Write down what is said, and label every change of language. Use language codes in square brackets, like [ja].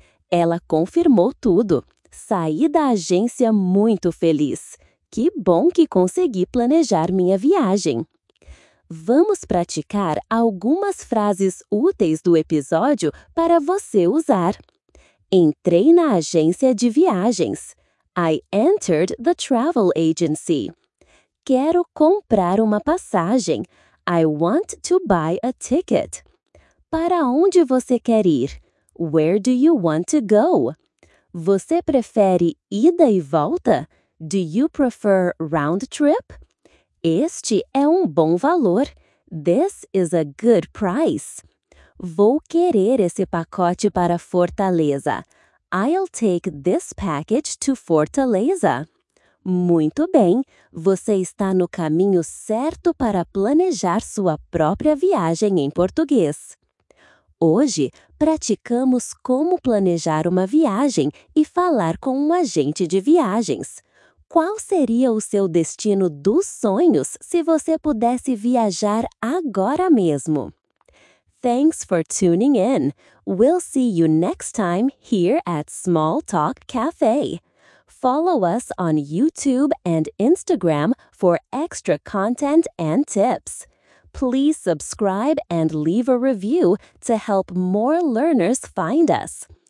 [pt] Ela confirmou tudo. Saí da agência muito feliz. Que bom que consegui planejar minha viagem. Vamos praticar algumas frases úteis do episódio para você usar. Entrei na agência de viagens. [en] I entered the travel agency. [pt] Quero comprar uma passagem. [en] I want to buy a ticket. [pt] Para onde você quer ir? [en] Where do you want to go? [pt] Você prefere ida e volta? [en] Do you prefer round trip? [pt] Este é um bom valor. [en] This is a good price. [pt] Vou querer esse pacote para Fortaleza. [en] I'll take this package to Fortaleza. [pt] Muito bem. Você está no caminho certo para planejar sua própria viagem em português. Hoje, praticamos como planejar uma viagem e falar com um agente de viagens. Qual seria o seu destino dos sonhos se você pudesse viajar agora mesmo? [en] Thanks for tuning in. We'll see you next time here at Small Talk Cafe. Follow us on YouTube and Instagram for extra content and tips. please subscribe and leave a review to help more learners find us.